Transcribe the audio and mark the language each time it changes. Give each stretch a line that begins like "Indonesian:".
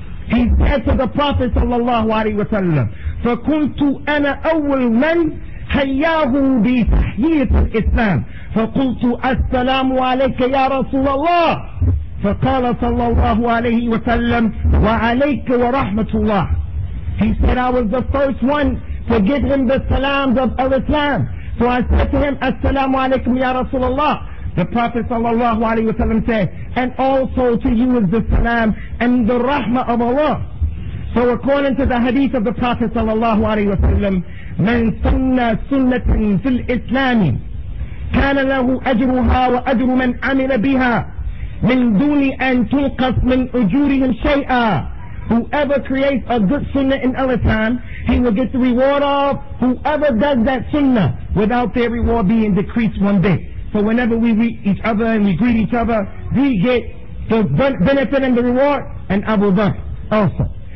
English: He said to the Prophet
Arabic: sallallahu alayhi wa sallam, فَكُنْتُ أَنَا أَوَّلْ مَنْ حَيَّاهُ بِتَحْيِيَةِ الْإِسْلَامِ فَقُلْتُ أَسْلَامُ عَلَيْكَ يَا رَسُولَ اللَّهِ فقال صلى الله عليه وسلم وعليك ورحمة الله.
English: He said, I was the first one to give him the salams of Islam. So I said to him,
Arabic: Assalamu alaikum ya Rasulullah.
English: The Prophet
Arabic: صلى الله عليه وسلم
English: said, and also to you is the salam and the rahmah of Allah. So according to the hadith of the Prophet
Arabic: صلى الله عليه وسلم, من سنة سنة في الإسلام كان له أجرها وأجر من عمل بها من دون أن تنقص من أجورهم شيئا.
English: Whoever creates a good sunnah in Islam, he will get the reward of whoever does that sunnah without their reward being decreased one bit. So whenever we meet each other and we greet each other, we get the benefit and the reward, and Abu Dharr also.